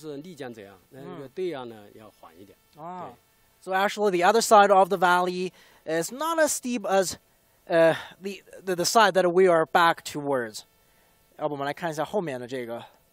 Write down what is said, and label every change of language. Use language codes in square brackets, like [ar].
[zh] 所以其实很陡峭啊。对，很陡峭，特别是丽江这样，那个对岸呢要缓一点。啊。 [en] So actually, the other side of the valley is not as steep as the side that we are back towards. [zh] 要不我们来看一下后面的这个.